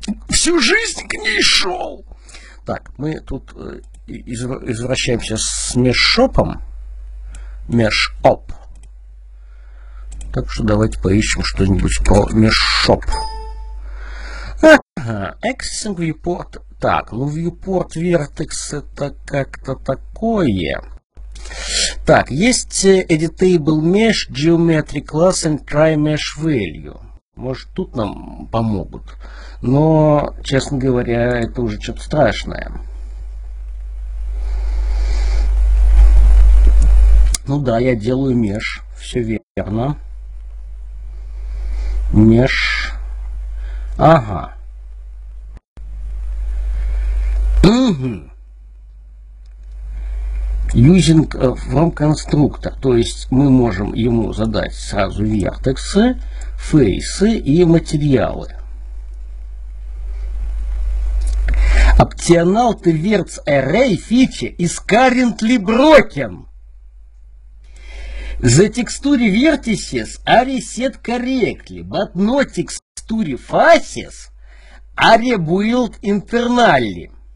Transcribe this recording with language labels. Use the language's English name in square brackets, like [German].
[Russian] Всю жизнь к ней шел! Так, мы тут извращаемся с мешопом. Мешоп. Так что давайте поищем что-нибудь про мешоп. [English] Accessing viewport. [Russian] Так, ну viewport vertex это как-то такое. Так, есть [English] editable mesh, geometry class and try mesh value. [Russian] Может тут нам помогут. Но, честно говоря, это уже что-то страшное. Ну да, я делаю mesh. Все верно. Mesh. Ага. [English] Using from constructor, [Russian] то есть мы можем ему задать сразу вертексы, фейсы и материалы. [English] Optional towards array feature is currently broken. The texture vertices are reset correctly, but no texture faces are rebuilt internally.